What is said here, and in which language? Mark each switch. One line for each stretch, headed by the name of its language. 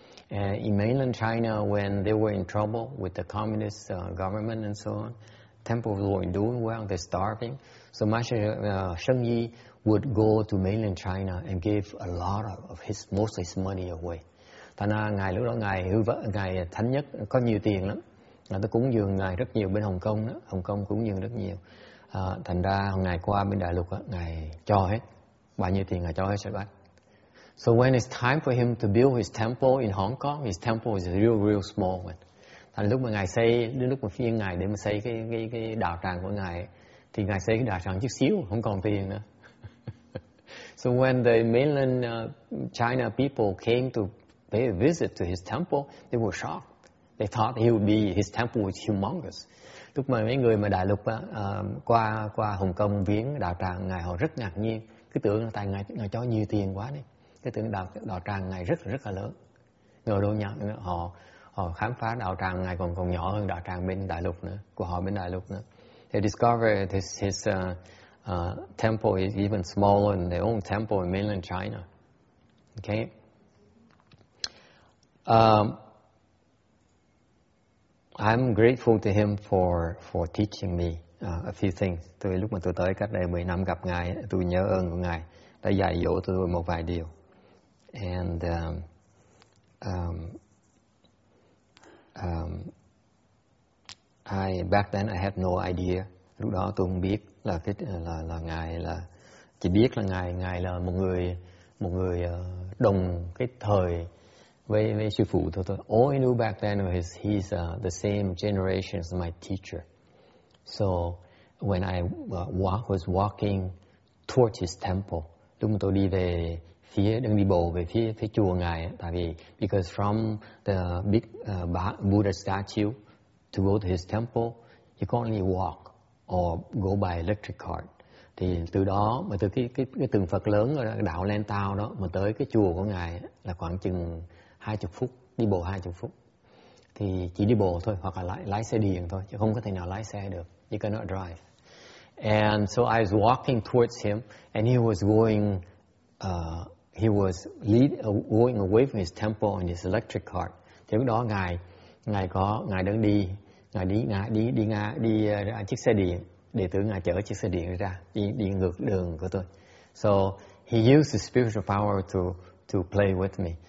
English: In mainland China, when they were in trouble with the communist government and so on, temples weren't doing well, they're starving. So Master Sheng Yi would go to mainland China and give a lot of his, most of his money away.
Vietnamese: Thành ra ngài lúc đó ngài thánh nhất có nhiều tiền lắm. Ngài ta cúng dường ngài rất nhiều bên Hồng Kông đó. Hồng Kông cúng dường rất nhiều. Thành ra ngài qua bên Đại Lục đó, ngài cho hết. Bao nhiêu tiền ngài cho hết sẽ bắt.
English: So when it's time for him to build his temple in Hong Kong, his temple is a real, real small one.
Vietnamese: Thành ra lúc mà ngài xây, đến lúc mà phiên ngài để mà xây cái đạo tràng của ngài, thì ngài xây cái đạo tràng chút xíu, không còn tiền nữa.
English: So when the mainland China people came to pay a visit to his temple, they were shocked. They thought his temple was humongous.
Vietnamese: Lúc mà mấy người mà Đại Lục qua Hồng Kông viếng đạo tràng ngài, họ rất ngạc nhiên, cứ tưởng là tại ngài cho nhiều tiền quá đi. Cái tưởng đạo tràng ngài rất rất là lớn. Người đâu nhận họ khám phá đạo tràng ngài còn nhỏ hơn đạo tràng bên Đại Lục nữa, của họ bên Đại Lục nữa.
English: They discovered his temple is even smaller than their own temple in mainland China. Okay. I'm grateful to him for teaching me a few things.
Vietnamese: Tôi lúc mà tôi tới cách đây 10 năm gặp ngài, tôi nhớ ơn của ngài đã dạy dỗ tôi một vài điều.
English: And back then I had no idea.
Vietnamese: Lúc đó tôi không biết là ngài là chỉ biết là ngài là một người đồng cái thời với sư phụ thôi.
English: All I knew back then was he's the same generation as my teacher. So when I was walking towards his temple,
Vietnamese: lúc mà tôi đi về phía đang đi bộ về phía chùa ngài, tại vì
English: because from the big Buddha statue to go to his temple, you can only walk or go by electric cart.
Vietnamese: Thì từ đó mà từ cái tượng Phật lớn ở đảo Lan Tao đó mà tới cái chùa của ngài là khoảng chừng 20 phút, đi bộ 20 phút. Thì chỉ đi bộ thôi hoặc là lái xe điện thôi, chứ không có thể nào lái xe được.
English: You cannot drive. And so I was walking towards him and he was going going away from his temple in his electric cart.
Vietnamese: Thì lúc đó ngài đang đi, ngài đi ngã đi đi ngã đi ra chiếc xe điện, đệ tử ngài chở chiếc xe điện ra đi ngược đường của tôi.
English: So he used his spiritual power to play with me.